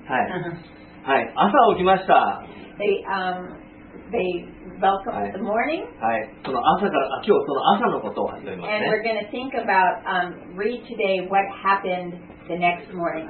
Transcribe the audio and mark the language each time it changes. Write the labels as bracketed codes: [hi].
[ja] はい、はい、朝起きました。 [en] They they welcome the morning. [ja] はい。その朝から、今日その朝のことを始めますね。 [en] And we're going to think about, read today what happened the next morning.